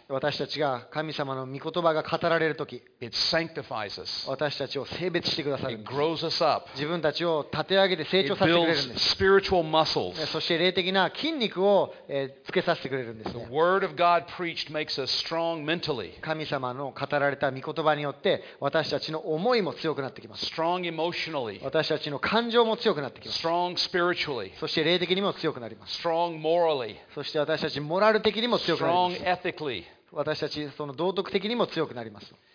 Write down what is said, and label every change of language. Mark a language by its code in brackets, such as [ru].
[ja] 私たちが神様の御言葉が語られるとき、 [en] it sanctifies us. [ja] 私たちを聖別してくださるんです。 [en] It grows us up. [ja] 自分たちを立て上げて成長させてくれるんです。 [en] It builds spiritual muscles. [ja] そして霊的な筋肉をつけさせてくれるんですね。 [en] The word of God preached makes us strong mentally. [ja] 神様の語られた御言葉によって私たちの思いも強くなってきます。 [en] Strong emotionally. [ja] 私たちの感情も強くなってきます。 [en] Strong spiritually. [ja] そして霊的にも強くなります。 [en] Strong morally. [ja] そして私たちもモラル的にも強くなります。私たちその道徳的にも強くなります。